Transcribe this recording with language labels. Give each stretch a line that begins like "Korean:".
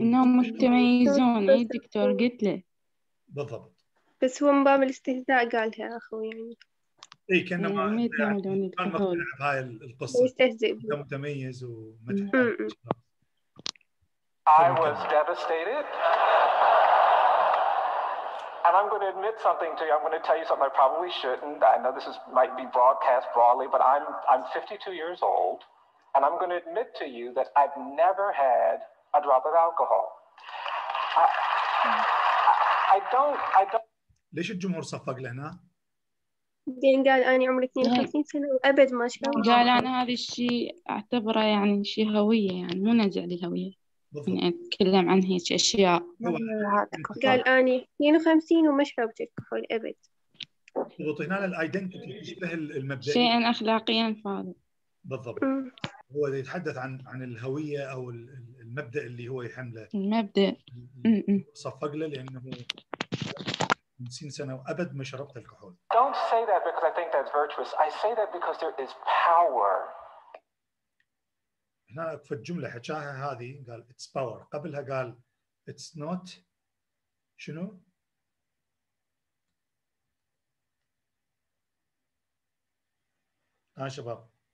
Arabic: انهم متميزون اي دكتور قلت له بالضبط بس هو من باب الاستهزاء قالها اخوي يعني اي كان ما كان مقتنع بهاي القصه يستهزئ انت متميز وما
English: I was devastated And I'm going to admit something to you. I'm going to tell you something I probably shouldn't. I know this is, might be broadcast broadly, but I'm 52 years old, and I'm going to admit to you that I've never had a drop of alcohol. I don't.
Arabic: ليش الجمهور صفق لهنا؟ دين قال أنا عمري 52 سنة وأبد ما شاء الله. قال أنا هذا الشيء أعتبره يعني شيء هوية يعني مو نزع للهوية. نتكلم عن هيك اشياء قال اني 52 وما شربت الكحول ابد ضبطنا له الايدنتيتي تشبه المبدا شيئا اخلاقيا فاضل بالضبط هو يتحدث عن الهويه او المبدأ اللي هو يحمله المبدأ صفق له لأنه من سن سنة وأبد ما شربت الكحول.
English: Don't say that because I think that's virtuous. I say that because there is power.
Arabic: هنا في الجملة حكاها هذه قال
English: it's power.
Arabic: قبلها قال
English: it's not
Arabic: شنو؟ ها شباب